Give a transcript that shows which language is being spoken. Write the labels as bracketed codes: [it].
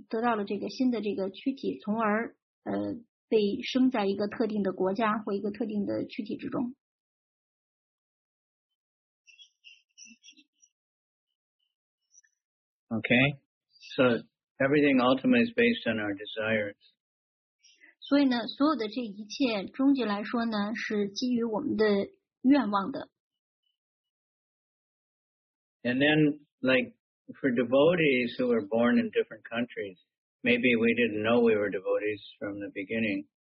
[zh] 但是呢，我们是有这个自由意志的，而且我们是有我们的这个欲望的。那在《博伽梵歌》中也提到了，就是当我们在死亡的时候，根据我们所处在的那种知觉，使我们得到了一个特定的心意，从而这个心意呢，让我们得到了一副新的感官，然后呢，在这个感官中呢，又得到了这个新的这个躯体，从而 被生在一个特定的国家或一个特定的躯体之中。Okay, [en] so everything ultimately is based on our desires. [zh] 所以呢，所有的这一切，终极来说呢，是基于我们的愿望的。And [en] then, like for devotees who are born in different countries, maybe we didn't know we were devotees from the beginning.